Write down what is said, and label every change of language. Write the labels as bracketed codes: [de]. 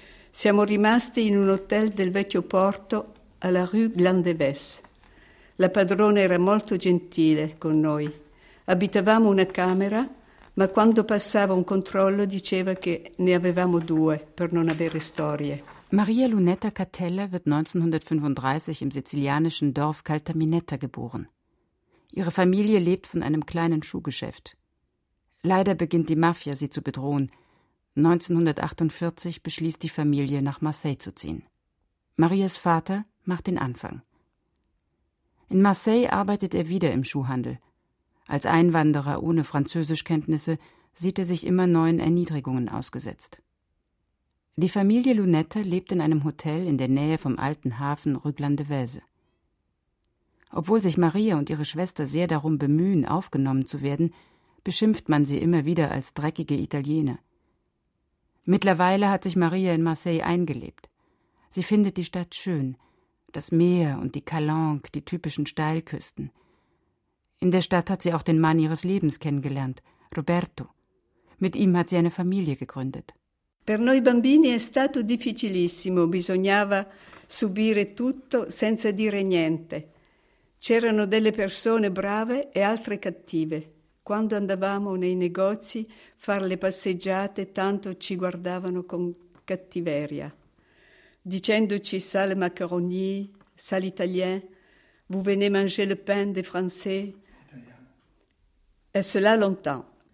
[it] Siamo rimasti in un hotel del vecchio porto alla rue Glandeves. La padrona era molto gentile con noi. Abitavamo una camera, ma quando passava un controllo diceva che ne avevamo due per non avere storie. [de] Maria Lunetta Catella wird 1935 im sizilianischen Dorf Caltaminetta geboren. Ihre Familie lebt von einem kleinen Schuhgeschäft. Leider beginnt die Mafia, sie zu bedrohen. 1948 beschließt die Familie, nach Marseille zu ziehen. Marias Vater macht den Anfang. In Marseille arbeitet er wieder im Schuhhandel. Als Einwanderer ohne Französischkenntnisse sieht er sich immer neuen Erniedrigungen ausgesetzt. Die Familie Lunetta lebt in einem Hotel in der Nähe vom alten Hafen Rue Glandeves. Obwohl sich Maria und ihre Schwester sehr darum bemühen, aufgenommen zu werden, beschimpft man sie immer wieder als dreckige Italiener. Mittlerweile hat sich Maria in Marseille eingelebt. Sie findet die Stadt schön, das Meer und die Calanque, die typischen Steilküsten. In der Stadt hat sie auch den Mann ihres Lebens kennengelernt, Roberto. Mit ihm hat sie eine Familie gegründet. [it] Per noi bambini è stato difficilissimo, bisognava subire tutto senza dire niente. C'erano delle persone brave e altre cattive. Quando andavamo nei negozi a fare le passeggiate, tanto ci guardavano con cattiveria, dicendoci [fr] sale macaroni, sale italien, vous venez manger le pain des français. E cela longtemps.